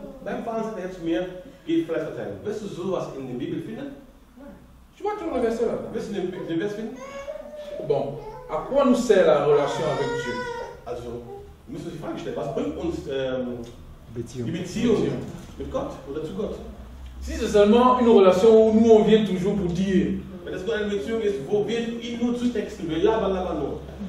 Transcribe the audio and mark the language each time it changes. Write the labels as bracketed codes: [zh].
[de] Beim Fahren sagt er zu mir, geht vielleicht verteilen. Wirst du sowas in der Bibel finden? Nein. Wirst du den Vers finden? [fr] Bon, à quoi nous sert la relation avec Dieu? [de] Also, wir müssen uns die Frage stellen, was bringt uns die Beziehung mit Gott oder zu Gott? [fr] Si c'est seulement une relation où nous on vient toujours pour dire. [de] Wenn es nur eine Beziehung ist, wo wir ihn nur zu texten, wir labern, labern nur.